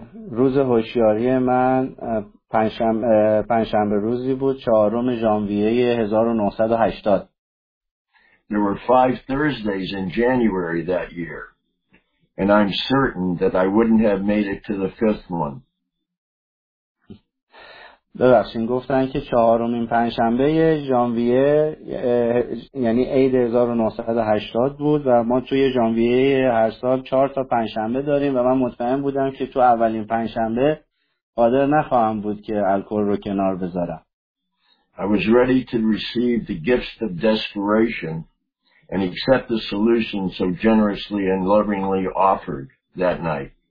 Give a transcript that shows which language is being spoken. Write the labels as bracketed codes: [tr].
[fa] روز هوشیاری من پنجشنبه روزی بود 4 ژانویه 1980. [en] There were 5 Thursdays in January that year, and I'm certain that I wouldn't have made it to the 5th one. [fa] ببخشید گفتن که 4 پنجشنبه ژانویه یعنی عید 1980 بود و ما توی ژانویه هر سال 4 تا پنجشنبه داریم و من مطمئن بودم که تو اولین پنجشنبه قادر نخواهم بود که الکل رو کنار بذارم. [en] I was ready to receive the gifts of desperation and accept the solution so generously and lovingly offered that night.